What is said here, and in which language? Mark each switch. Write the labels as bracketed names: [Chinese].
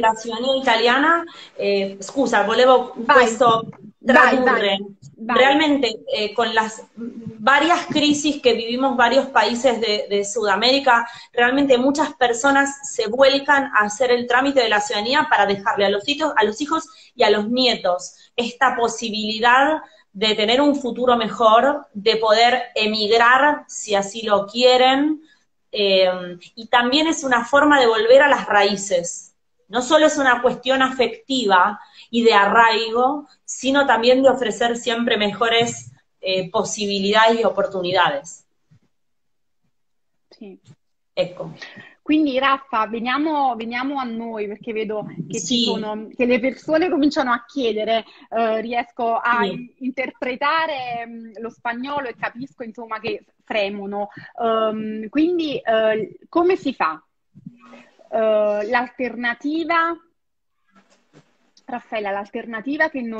[Italian] della ciudadanía italiana, scusa, volevo questo tradurre. Vai. [Spanish] Realmente, con las varias crisis que vivimos varios países de Sudamérica, realmente muchas personas se vuelcan a hacer el trámite de la ciudadanía para dejarle a los hijos y a los nietos esta posibilidad de tener un futuro mejor, de poder emigrar si así lo quieren, y también es una forma de volver a las raíces. No solo es una cuestión afectiva y de arraigo, sino también de ofrecer siempre mejores posibilidades y oportunidades. Sí. [Italian] Ecco. Quindi Raffa, veniamo a noi, perché vedo che, sì, ci sono, che le persone cominciano a chiedere, riesco a sì, interpretare lo spagnolo e capisco insomma che fremono. Quindi come si fa? L'alternativa, Raffaella, l'alternativa che noi